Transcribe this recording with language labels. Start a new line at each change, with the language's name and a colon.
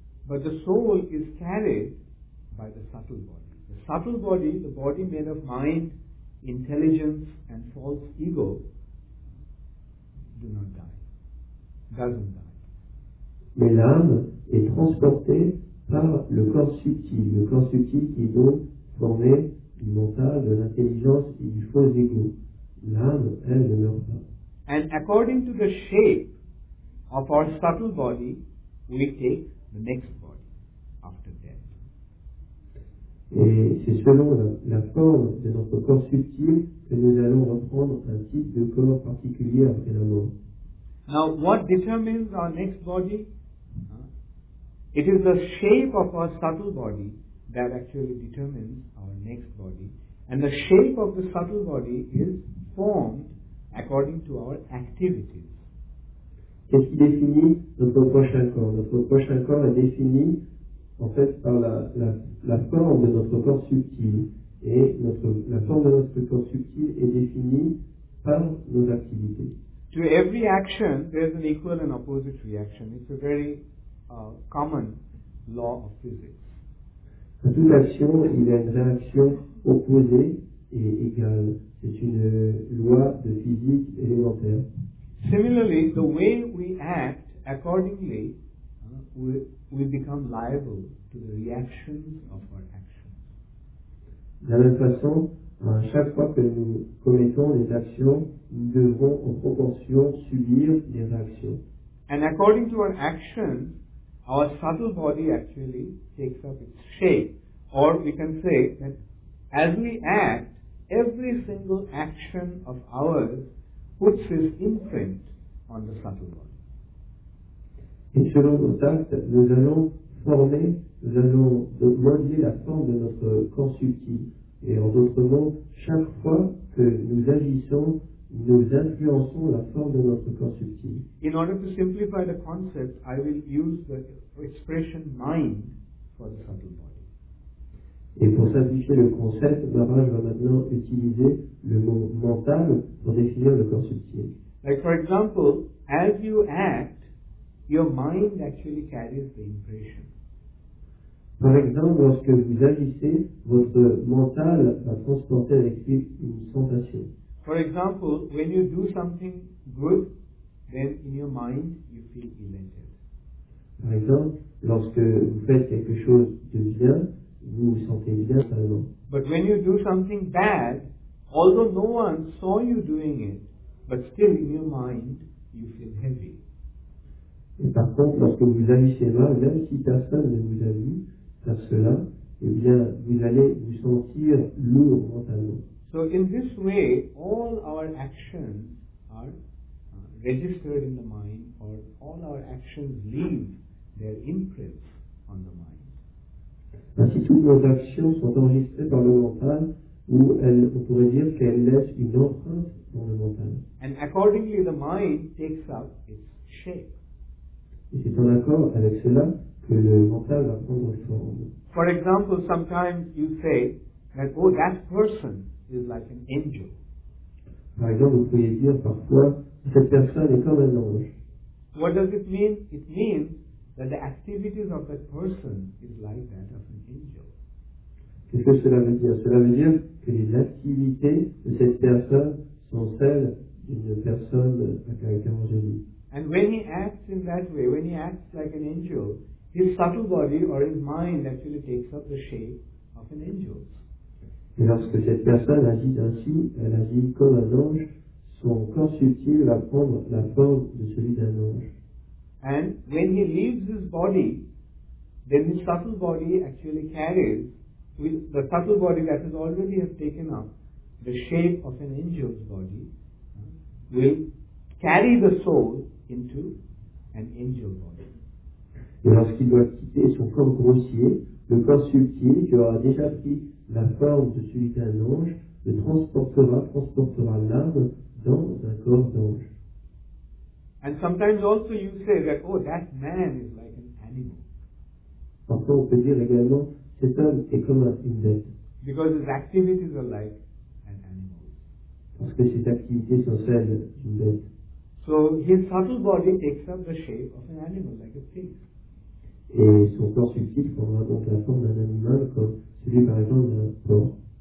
English: But the soul is carried by the subtle body. The subtle body, the body made of mind, intelligence and false ego, do not die. Doesn't die.
French: Mais l'âme est transportée par le corps subtil qui est donc formé du mental, de l'intelligence et du faux ego. L'âme, elle, ne meurt pas.
English: And according to the shape of our subtle body, we take the next body after death.
French: Et c'est selon la forme de notre corps subtil que nous allons reprendre un type de corps particulier après la mort.
English: Now, what determines our next body? It is the shape of our subtle body that actually determines our next body. And the shape of the subtle body is formed according to our activities.
French: Qu'est-ce qui définit notre prochain corps? Notre prochain corps est défini en fait par la forme de notre corps subtil. Et la forme de notre corps subtil est définie par nos activités.
English: To every action, there is an equal and opposite reaction. It's a very common law of physics.
French: À toute action, il y a une réaction opposée et égale. C'est une loi de physique élémentaire.
English: Similarly, the way we act accordingly, we become liable to the reactions of our actions.
French: De la même façon, à chaque fois que nous commettons des actions, nous devons en proportion subir des réactions.
English: And according to our actions, our subtle body actually takes up its shape. Or we can say that as we act, every single action of ours puts its imprint on the subtle body.
French: Et selon nos actes, nous allons former, nous allons modeler la forme de notre corps subtil. Et en d'autres mots, chaque fois que nous agissons, nous influençons la forme de notre corps subtil.
English: In order to simplify the concept, I will use the expression mind for the subtle body.
French: Et pour simplifier le concept, Maharaj va maintenant utiliser le mot mental pour définir le corps subtil.
English: Like for example, as you act, your mind actually carries the impression.
French: Par exemple, lorsque vous agissez, votre mental va transporter avec lui une sensation.
English: For example, when you do something good, then in your mind you feel elated.
French: Par exemple, lorsque vous faites quelque chose de bien, vous vous sentez bien, par exemple.
English: But when you do something bad, although no one saw you doing it, but still in your mind you feel heavy.
French: Et par contre, lorsque vous agissez mal, même si personne ne vous a vu faire cela, eh bien, vous allez vous sentir lourd mentalement.
English: So in this way, all our actions are registered in the mind, or all our actions leave their imprints on the mind.
French: Ainsi, toutes nos actions sont enregistrées par le mental, ou elles, on pourrait dire qu'elles laissent une empreinte dans le mental.
English: And accordingly, the mind takes up its shape.
French: Et c'est en accord avec cela que le mental va prendre forme.
English: For example, sometimes you say that, oh, that person is like an angel.
French: Par exemple, vous pouvez dire parfois, cette personne est comme un ange.
English: What does it mean? It means that the activities of that person is like that of an angel.
French: Qu'est-ce que cela veut dire? Cela veut dire que les activités de cette personne sont celles d'une personne à caractère angélique.
English: And when he acts in that way, when he acts like an angel, his subtle body or his mind actually takes up the shape of an angel.
French: Et lorsque cette personne agit ainsi, elle agit comme un ange, son corps subtil va prendre la forme de celui d'un ange.
English: And when he leaves his body, then his subtle body actually carries, the subtle body that has already has taken up the shape of an angel's body, will carry the soul into an angel body.
French: Et lorsqu'il doit quitter son corps grossier, le corps subtil qui aura déjà pris la forme de celui d'un ange, le transportera l'âme dans un corps d'ange.
English: And sometimes also you say that, oh, that man is like an animal.
French: Parfois, on peut dire également, cet homme est comme une bête.
English: Because his activities are like an animal.
French: Parce que ses activités sont celles d'une bête.
English: So his subtle body takes up the shape of an animal, like a pig.
French: Et son corps subtil prendra donc la forme d'un animal, comme celui par exemple d'un porc.